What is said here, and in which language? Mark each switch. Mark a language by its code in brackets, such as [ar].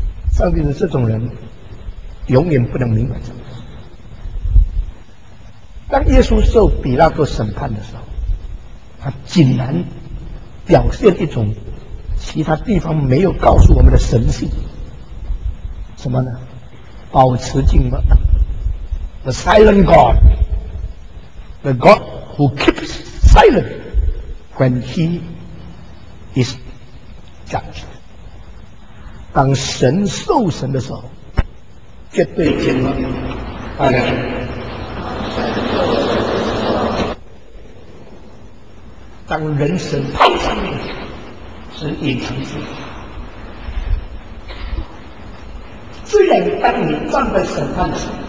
[zh] 上帝的这种人永远不能明白这个。当耶稣受比拉多审判的时候，他竟然表现一种其他地方没有告诉我们的神性，什么呢？保持静默。 [en] The silent God, the God who keeps silent when he is judged。 [zh] 当神受审的时候绝对静默。大家当人神碰上面是隐藏自己，虽然当你站在审判时